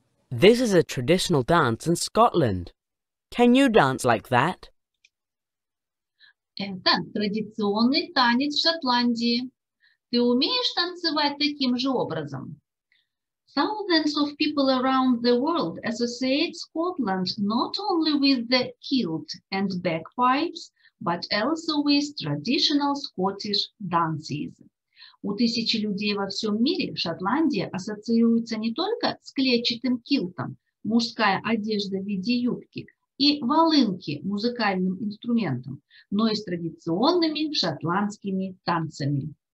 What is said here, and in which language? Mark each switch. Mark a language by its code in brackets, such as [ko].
[en] This is a traditional dance in Scotland. Can you dance like that? [ru] Это традиционный танец в Шотландии. Ты умеешь танцевать таким же образом? [en] Thousands of people around the world associate Scotland not only with the kilt and bagpipes, but also with traditional Scottish dances. [ru] У тысяч людей во всем мире Шотландия ассоциируется не только с клетчатым килтом, мужская одежда в виде юбки, и волынки, музыкальным инструментом, но и с традиционными шотландскими танцами.